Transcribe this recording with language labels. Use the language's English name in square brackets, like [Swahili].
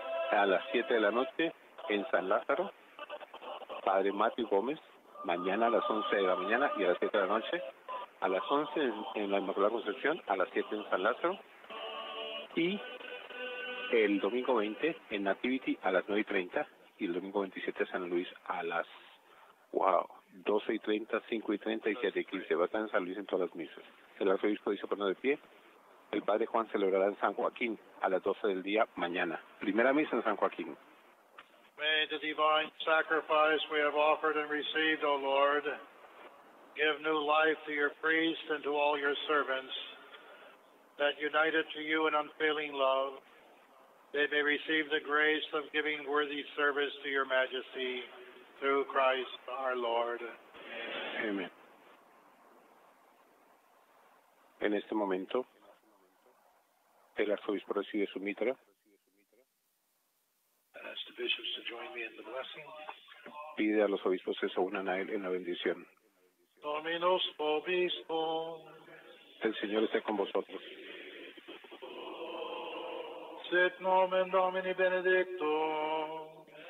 [Spanish] A las 7 de la noche en San Lázaro. Padre Matthew Gómez, mañana a las 11 de la mañana y a las 7 de la noche, a las 11 en la Inmaculada Concepción, a las 7 en San Lázaro, y el domingo 20 en Nativity a las 9:30, y el domingo 27 en San Luis a las 12:30, 5:30 y 7:15. Va a estar en San Luis en todas las misas. El arzobispo dice poner de pie. El Padre Juan celebrará en San Joaquín a las 12 del día mañana. Primera misa en San Joaquín. [English] May the divine sacrifice we have offered and received, O Lord, give new life to your priest and to all your servants, that united to you in unfailing love, they may receive the grace of giving worthy service to your majesty through Christ our Lord. Amen. [Spanish] En este momento, el arzobispo recibe su mitra. [English] Ask the bishops to join me in the blessing. [Spanish] Pide a los obispos que se unan a él en la bendición. [Latin] Dominus vobiscum. [Spanish] El Señor esté con vosotros. [Latin] Sit nomen Domini benedictum.